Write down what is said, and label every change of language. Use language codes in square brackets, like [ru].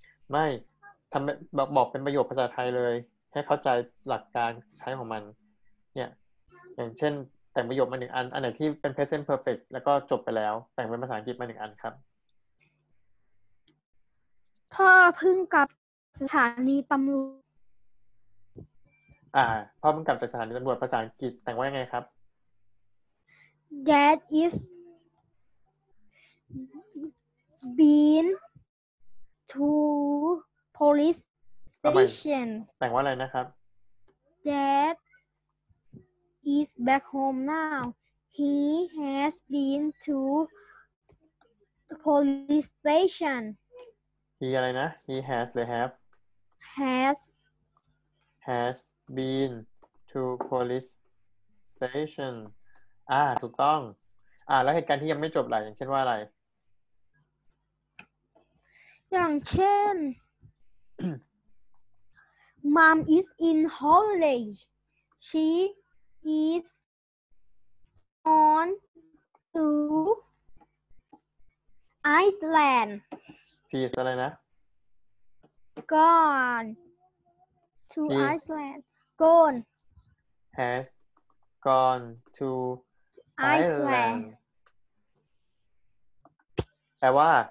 [th] ไม่ทำบอกเป็นประโยคภาษาไทยเลยให้เข้าใจหลักการใช้ของมันเนี่ยอย่างเช่นแต่งประโยคมาหนึ่งอันไหนที่เป็น present perfect แล้วก็จบไปแล้วแต่งเป็นภาษาอังกฤษมาหนึ่งอันครับ พ่อเพิ่งกลับสถานีตำรวจ พ่อเพิ่งกลับจากสถานีตำรวจภาษาอังกฤษแต่งว่ายังไงครับ [en] Dad is been to police station [th] แต่งว่าอะไรนะครับ [en] Dad is back home now he has been to police station [th] มีอะไรนะ [en] he has [th] หรือ [en] have has been to police station [th] ถูกต้องแล้วเหตุการณ์ที่ยังไม่จบล่ะอย่างเช่นว่าอะไร อย่างเช่น [en] mom is in holiday she is on to iceland she is [th] อะไรนะ [en] Gone to Iceland. Gone. Has gone to Iceland. [th] แปลว่า